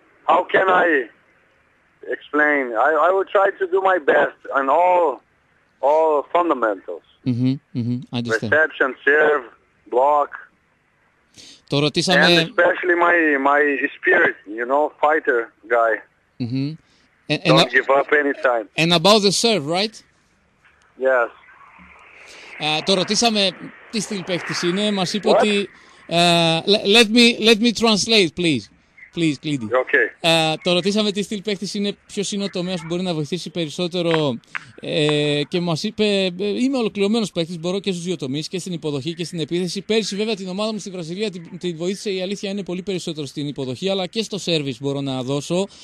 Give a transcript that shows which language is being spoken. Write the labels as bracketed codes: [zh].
[en] How can I explain? I will try to do my best on all fundamentals. Reception, serve, block. [el] Το ρωτήσαμε. [en] And especially my spirit, you know, fighter guy. Don't give up anytime. And about the serve, right? Yes. [el] Το ρωτήσαμε τι στυλ παίχτης είναι. Μας είπε ότι. [en] Let me translate, please. Please, Κλίντι. Okay. [el] Το ρωτήσαμε τι στυλ παίχτης είναι, ποιος είναι ο τομέας που μπορεί να βοηθήσει περισσότερο και μας είπε, είμαι ολοκληρωμένος παίχτης, μπορώ και στους δύο τομείς, και στην υποδοχή και στην επίθεση. Πέρσι βέβαια την ομάδα μου στη Βραζιλία την βοήθησε, η αλήθεια είναι, πολύ περισσότερο στην υποδοχή, αλλά και στο σέρβις μπορώ να δώσω.